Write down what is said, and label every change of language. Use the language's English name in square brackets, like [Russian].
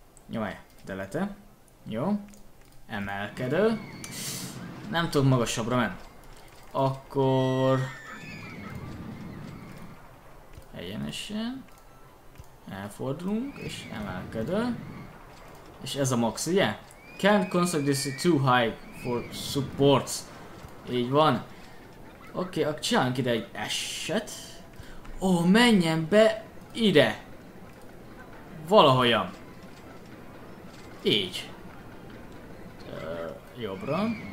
[Hungarian] Jaj, delete. Jó. Emelkedő. Nem tudok magasabbra menni. Akkor... egyenesen. Elfordulunk, és emelkedő. És ez a max, ugye? [English] Can't construct this too high for supports. [Hungarian] Így van. Oké, okay, akkor csinálunk ide egy S-et. Ó, menjen be ide. Valahogyan. Így. Jobbra.